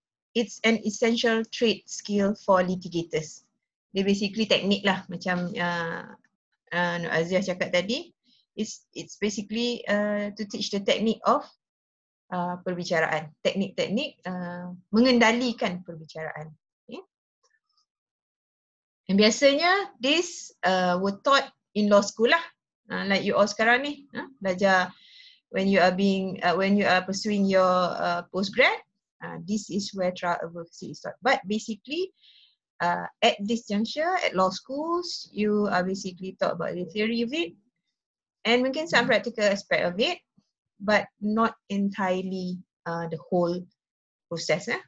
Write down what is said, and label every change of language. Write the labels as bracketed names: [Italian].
[English] It's an essential trait skill for litigators. They basically technique lah, [Malay] macam Nur Azia cakap tadi. [English] It's basically to teach the technique of perbicaraan. [Malay] Teknik-teknik mengendalikan perbicaraan. [English] And biasanya, this were taught in law school lah. Like you all [Malay] sekarang ni, belajar [English] when you are pursuing your postgrad, this is where trial advocacy is taught. But basically, at this juncture, at law schools, you are basically taught about the theory of it and mungkin some practical aspect of it, but not entirely the whole process. Eh?